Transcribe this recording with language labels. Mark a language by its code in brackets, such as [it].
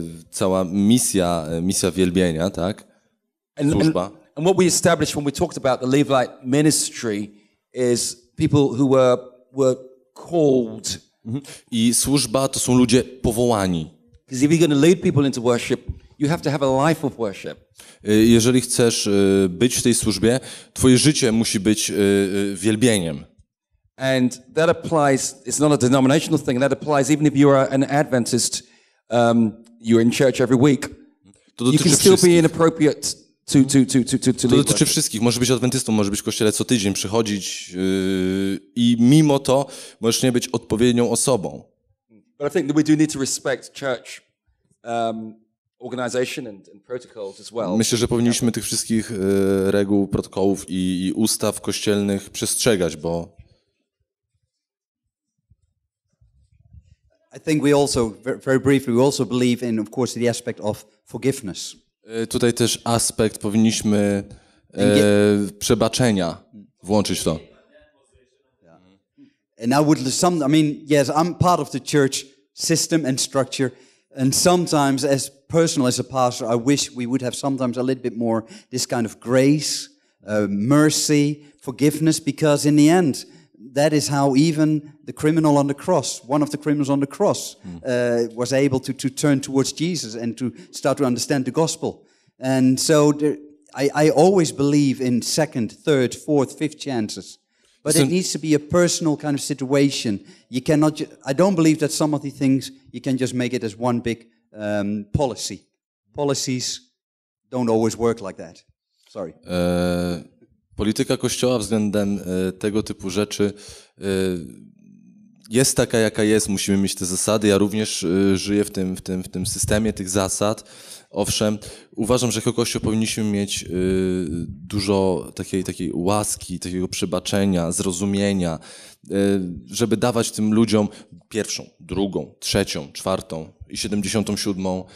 [pl] Cała misja, misja wielbienia, tak? Służba. [en] And what we established when we talked about the Levite ministry is people who were called. [pl] I służba to są ludzie powołani. [en] Because if you're going to lead people into worship, you have to have a life of worship. [pl] Jeżeli chcesz być w tej służbie, twoje życie musi być wielbieniem. [en] And that applies, it's not a denominational thing, that applies even if you are an Adventist, you're in church every week. [pl] To dotyczy [en] you can still [pl] wszystkich. [en] Be inappropriate to [pl] to dotyczy wszystkich. Możesz być adwentystą, możesz być w kościele co tydzień, przychodzić i mimo to możesz nie być odpowiednią osobą. [en] But I think that we do need to respect church organization and protocols as well. [pl] Myślę, że powinniśmy tych wszystkich reguł, protokołów i ustaw kościelnych przestrzegać, bo [en] I think we also very briefly we also believe in of course the aspect of forgiveness. [pl] Tutaj też aspekt powinniśmy przebaczenia włączyć w to. [en] And I would some I mean yes I'm part of the church system and structure and sometimes as personal as a pastor I wish we would have sometimes a little bit more this kind of grace, mercy, forgiveness because in the end that is how even the criminal on the cross, one of the criminals on the cross, was able to turn towards Jesus and to start to understand the gospel. And so I always believe in second, third, fourth, fifth chances. But it needs to be a personal kind of situation. You cannot. I don't believe that some of the things you can just make it as one big policy. Policies don't always work like that. Sorry. [pl] Polityka Kościoła względem tego typu rzeczy jest taka, jaka jest. Musimy mieć te zasady. Ja również żyję w tym systemie tych zasad. Owszem, uważam, że jako Kościół powinniśmy mieć dużo takiej łaski, takiego przebaczenia, zrozumienia, żeby dawać tym ludziom pierwszą, drugą, trzecią, czwartą i 77.